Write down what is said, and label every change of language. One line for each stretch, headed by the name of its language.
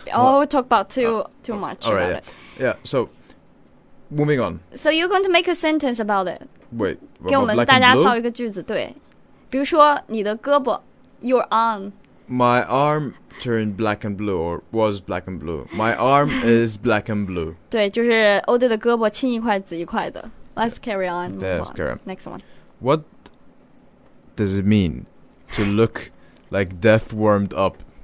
English: We'll talk about too much all right, about it. Yeah, so moving on. So you're going to make a sentence about it. Wait,
Chinese: 给我们大家造一个句子，对，比如说你的胳膊 ，
English: your arm. My arm turned black and blue, or was black and blue. My arm is black and blue.
Chinese: 对，就是 Ode 的胳膊青一块紫一块的。
English: Let's carry on. Let's carry on. Next one. What does it mean to look like death warmed up?